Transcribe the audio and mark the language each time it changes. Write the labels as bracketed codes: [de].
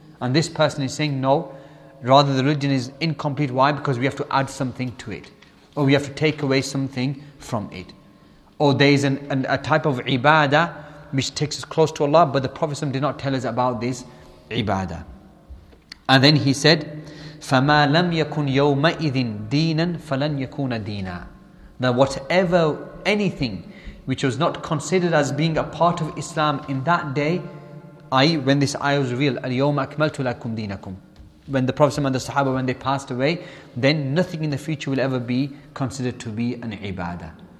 [en] And this person is saying, no, rather the religion is incomplete. Why? Because we have to add something to it. Or we have to take away something from it. Or there is a type of ibadah which takes us close to Allah, but the Prophet did not tell us about this ibadah. And then he said, [ar] فَمَا لَمْ يَكُنْ يَوْمَئِذٍ دِينًا فَلَنْ يَكُونَ دِينًا. [en] That whatever, anything which was not considered as being a part of Islam in that day, i.e. when this ayah was revealed, [ar] الْيَوْمَ أَكْمَلْتُ لَكُمْ دِينَكُمْ, [en] when the Prophet and the Sahaba, when they passed away, then nothing in the future will ever be considered to be an ibadah.